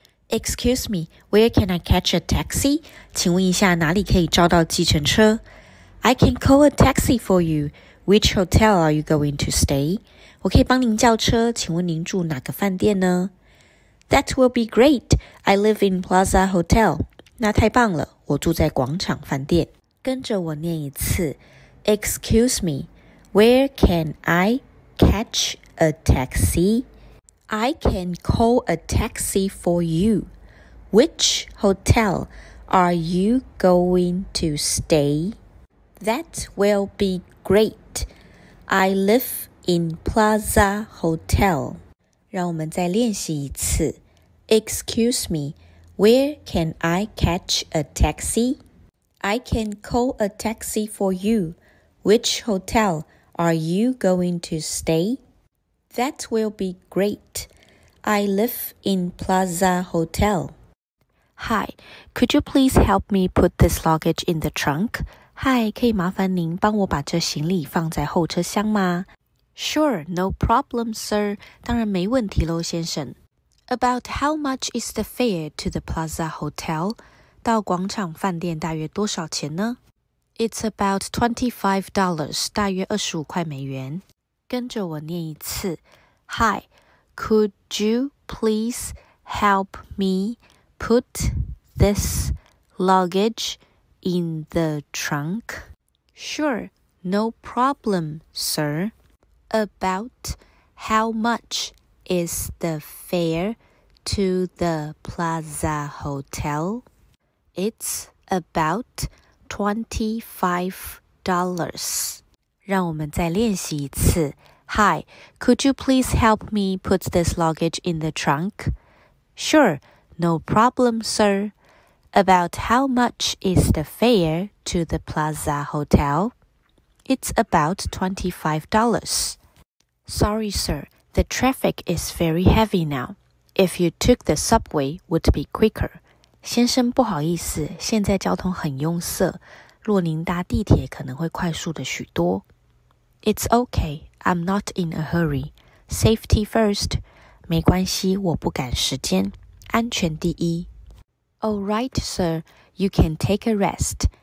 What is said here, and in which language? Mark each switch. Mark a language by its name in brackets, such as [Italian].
[English] Excuse me, where can I catch a taxi? [Chinese] 请问一下哪里可以叫到计程车? [English] I can call a taxi for you. Which hotel are you going to stay? [Chinese] 我可以帮您叫车,请问您住哪个饭店呢? [English] That will be great. I live in Plaza Hotel. [Chinese] 那太棒了,我住在广场饭店。跟着我念一次。 [English] Excuse me, where can I catch a taxi? I can call a taxi for you. Which hotel are you going to stay? That will be great. I live in Plaza Hotel. [Chinese] 让我们再练习一次。 [English] Excuse me, where can I catch a taxi? I can call a taxi for you. Which hotel are you going to stay? That will be great. I live in Plaza Hotel. Hi, could you please help me put this luggage in the trunk? [Chinese] Hi, 可以麻烦您帮我把这行李放在后车厢吗? [English] Sure, no problem, sir. [Chinese] 当然没问题喽，先生。 [English] About how much is the fare to the Plaza Hotel? [Chinese] 到广场饭店大约多少钱呢? [English] It's about $25, [Chinese] 大约25块美元。跟着我念一次。 [English] Hi, could you please help me put this luggage in the trunk? Sure, no problem, sir. About how much is the fare to the Plaza Hotel? It's about $25. [Chinese] 让我们再练习一次。 [English] Hi, could you please help me put this luggage in the trunk? Sure, no problem, sir. About how much is the fare to the Plaza Hotel? It's about $25. Sorry, sir, the traffic is very heavy now. If you took the subway, it would be quicker. [Chinese] 先生，不好意思，现在交通很拥塞，若您搭地铁可能会快速的许多。 [English] It's okay. I'm not in a hurry. Safety first. [Chinese] 没关系，我不赶时间。安全第一。 [English] All right, sir. You can take a rest.